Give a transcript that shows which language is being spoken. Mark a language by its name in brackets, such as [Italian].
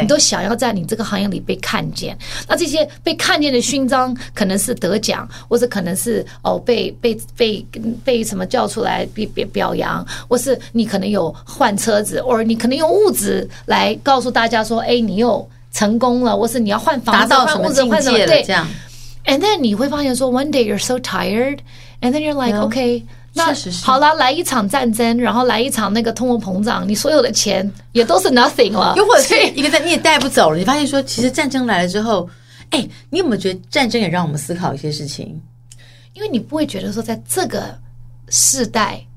[Chinese] 你都想要在你这个行业里被看见。那这些被看见的勋章可能是得奖，或是可能是哦被什么叫出来表扬，或是你可能有换车子，或者你可能用物质来告诉大家说，哎，你又成功了，或是你要换房子、换物质、换什么？对，这样。 [English] And then [Chinese] 你会发现说 [English] ，one day you're so tired, and then you're like, yeah, okay, [Chinese] 那确实是好了，来一场战争，然后来一场那个通货膨胀，你所有的钱也都是 nothing 了。又或者是一个你也带不走了，你发现说，其实战争来了之后，哎，你有没有觉得战争也让我们思考一些事情？因为你不会觉得说，在这个世代。